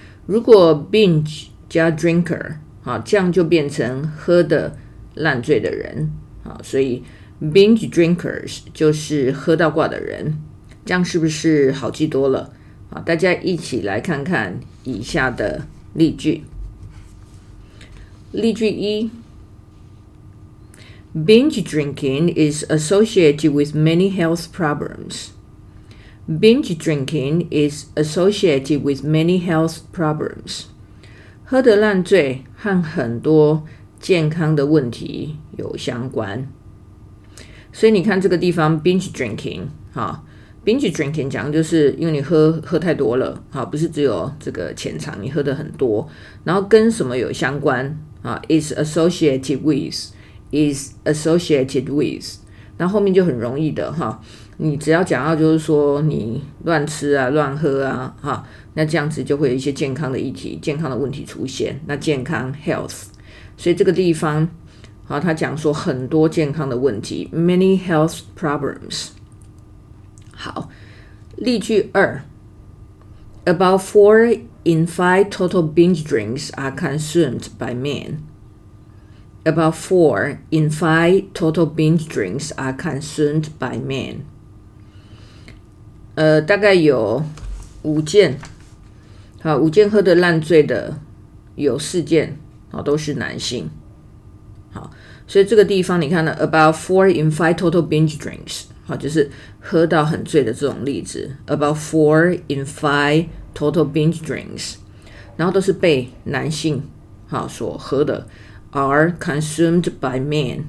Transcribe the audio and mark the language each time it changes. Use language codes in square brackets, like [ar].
[zh] 如果 binge 加 drinker， 这样就变成喝的烂醉的人，所以 binge drinkers 就是喝到挂的人，这样是不是好记多了？好，大家一起来看看以下的例句。 [en] 例句一， binge drinking is associated with many health problems。 Binge drinking is associated with many health problems. [zh] 喝得烂醉和很多健康的问题有相关。所以你看这个地方 binge drinking， binge drinking 讲就是因为你 喝太多了，不是只有这个浅尝，你喝得很多，然后跟什么有相关， [en] is associated with， [zh] is associated with， 那后面就很容易的，你只要讲到就是说你乱吃啊乱喝啊，那这样子就会有一些健康的议题，健康的问题出现，那健康 health， 所以这个地方他讲说很多健康的问题， [en] many health problems。好，例句二， about 4 in 5 total binge drinks are consumed by men。 About 4 in 5 total binge drinks are consumed by men。 [zh] 大概有五件喝得烂醉的，有4件都是男性。好，所以这个地方你看呢， [en] about 4 in 5 total binge drinks， [zh] 就是喝到很醉的这种例子， about 4 in 5 total binge drinks， 然后都是被男性所喝的， [en] are consumed by men。